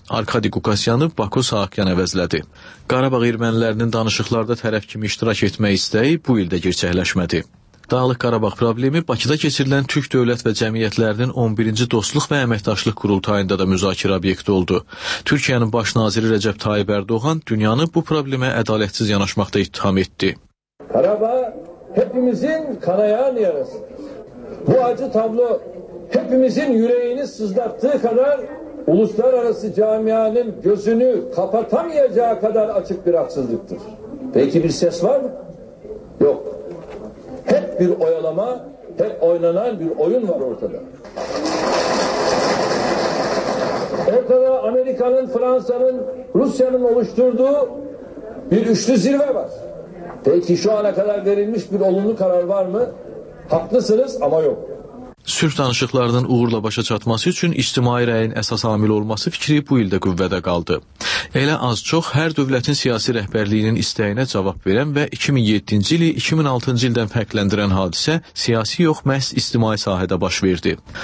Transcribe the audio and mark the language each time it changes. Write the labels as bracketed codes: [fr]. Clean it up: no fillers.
[az] Arkadi Qukasyanı Baku Saakyan əvəzlədi. Qarabağ ermənilərinin danışıqlarda tərəf kimi iştirak etmək istəyi bu ildə gerçəkləşmədi. Dağlıq Qarabağ problemi Bakıda keçirilən Türk dövlət və cəmiyyətlərinin 11-ci dostluq və əməkdaşlıq qurultayında da müzakirə obyekti oldu. Türkiyənin baş naziri Rəcəb Tayyip Erdoğan dünyanı bu problemə ədalətsiz yanaşmaqda ittiham etdi. [tr] Qarabağ hepimizin kanayan yarası. Bu acı tablo hepimizin yüreğini sızlattığı kadar uluslararası camianın gözünü kapatamayacağı kadar açık bir haksızlıktır. Peki bir ses var mı? Yok. Hep bir oyalama, hep oynanan bir oyun var ortada. Ortada Amerika'nın, Fransa'nın, Rusya'nın oluşturduğu bir üçlü zirve var. Peki şu ana kadar verilmiş bir olumlu karar var mı? Haklısınız ama yok. [az] Sülh danışıqlarının uğurla başa çatması üçün ictimai rəyin əsas amil olması fikri bu ildə qüvvədə qaldı. Elə az çox hər dövlətin siyasi rəhbərliyinin istəyinə cavab verən və 2007-ci ili 2006-cı ildən fərqləndirən hadisə siyasi yox, məhz ictimai sahədə baş verdi.